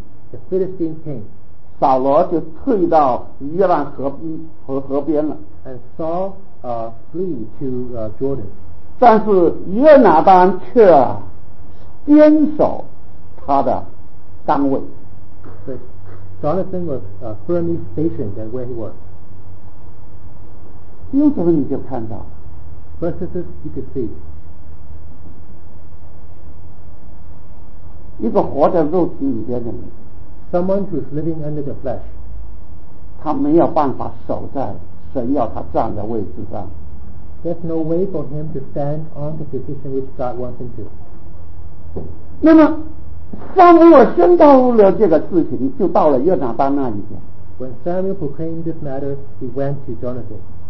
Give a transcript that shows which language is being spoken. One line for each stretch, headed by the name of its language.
English: The Philistine came。
Chinese: 扫罗就退到约旦河边河边了。
English: And Saul flee to Jordan.
Chinese: 但是约拿丹却坚守他的岗位。
English: But Jonathan was firmly stationed at where he was.
Chinese: 用什么你就看到
English: ？Verses you can see.
Chinese: 一个活在肉体里边的人
English: ，someone who's living under the flesh，
Chinese: 他没有办法守在神要他站的位置上。
English: There's no way for him to stand on the position which God wants him to。
Chinese: 那么，撒母耳宣告了这个事情，就到了约拿丹那里去。
English: When Samuel proclaimed this matter, he went to Jonathan。